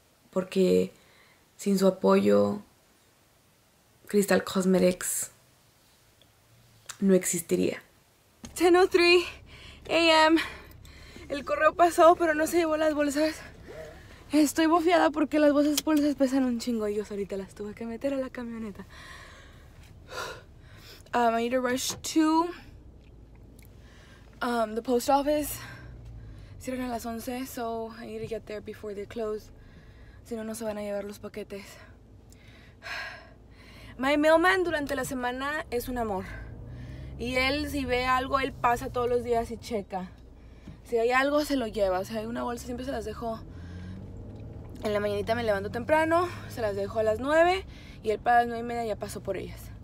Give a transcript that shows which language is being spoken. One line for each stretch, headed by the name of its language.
Spanish: Porque sin su apoyo, Crystal Cosmetics no existiría. 10:03 a.m. El correo pasó, pero no se llevó las bolsas. Estoy bofiada porque las bolsas pesan un chingo y yo ahorita las tuve que meter a la camioneta.
English: I need to rush to the post office.
Spanish: Cierran a las 11,
English: so I need to get there before they close.
Spanish: Si no, no se van a llevar los paquetes.
English: My mailman
Spanish: durante la semana es un amor. Y él, si ve algo, él pasa todos los días y checa. Si hay algo, se lo lleva. O sea, hay una bolsa, siempre se las dejo En la mañanita me levanto temprano, se las dejo a las 9 y él para las 9 y media ya pasó por ellas.